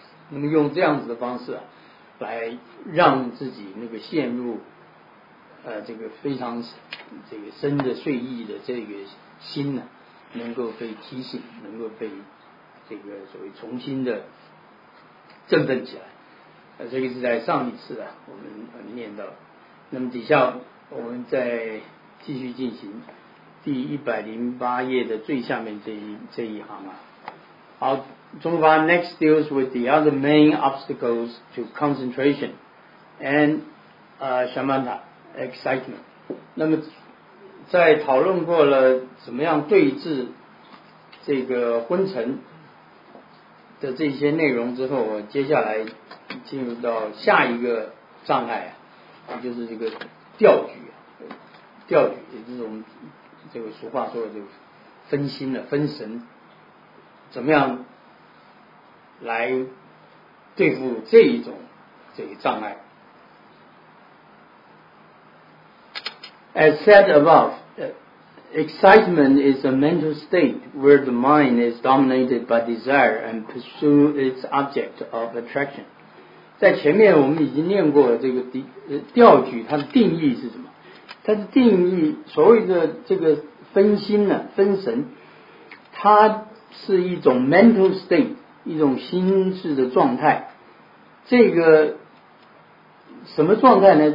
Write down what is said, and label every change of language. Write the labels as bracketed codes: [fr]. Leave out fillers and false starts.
[zh] 那么用这样子的方式啊，来让自己那个陷入这个非常这个深的睡意的这个心呢，能够被提醒，能够被这个所谓重新的振奋起来。这个是在上一次啊我们念到。那么底下我们再继续进行第108页的最下面这一行啊。好，中华 [en] next deals with the other main obstacles to concentration and shamatha excitement。 [zh] 那么在讨论过了怎么样对治这个昏沉的这些内容之后，我接下来进入到下一个障碍，就是这个调举，也就是我们这个俗话说的这个分心了、分神，怎么样来对付这一种这个障碍。 [en] As said aboveExcitement is a mental state where the mind is dominated by desire and pursue its object of attraction. [zh] 在前面我们已经念过这个调举，它的定义是什么？它的定义，所谓的这个分心呢、分神，它是一种 [en] mental state， [zh] 一种心智的状态。这个什么状态呢？